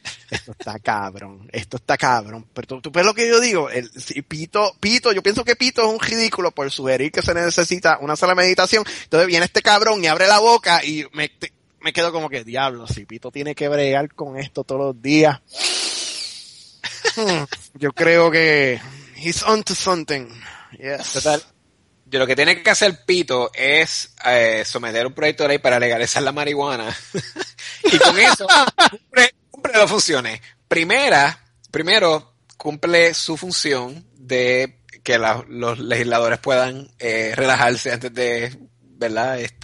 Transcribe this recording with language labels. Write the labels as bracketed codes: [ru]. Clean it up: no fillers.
[es] Esto está cabrón. Pero tú ves lo que yo digo, Pito, yo pienso que Pito es un ridículo por sugerir que se necesita una sala de meditación. Entonces viene este cabrón y abre la boca y me quedo como que, diablo, si Pito tiene que bregar con esto todos los días. Yo creo que [en] he's on to something. Yes. [es] Total. Yo lo que tiene que hacer Pito es someter un proyecto de ley para legalizar la marihuana. Y con eso cumple dos funciones. Primero, cumple su función de que los legisladores puedan relajarse antes de... ¿verdad?